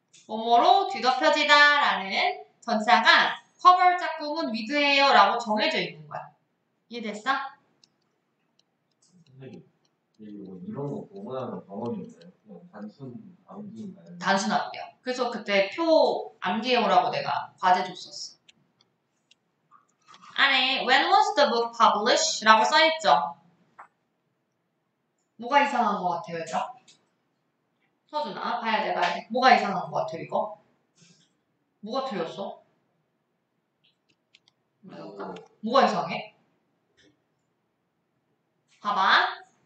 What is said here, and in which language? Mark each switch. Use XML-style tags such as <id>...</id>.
<ko>뭐뭐로 뒤덮여지다 라는 전사가 cover 짝꿍은 with예요 라고 정해져 있는 거야. 이해됐어? 선생님, 이런 거 보고 나면 방언인가요? 단순 암기인가요? 단순 암기야. 그래서 그때 표 암기해오라고 내가 과제 줬었어.</ko> <en>안에 when was the book published?</en> <ko>라고 써있죠. 뭐가 이상한 것 같아요, 얘들아? 서준아, 봐야 돼, 봐야 돼. 뭐가 이상한 것 같아요, 이거? 뭐가 틀렸어? 뭐가 이상해? 봐봐.</ko>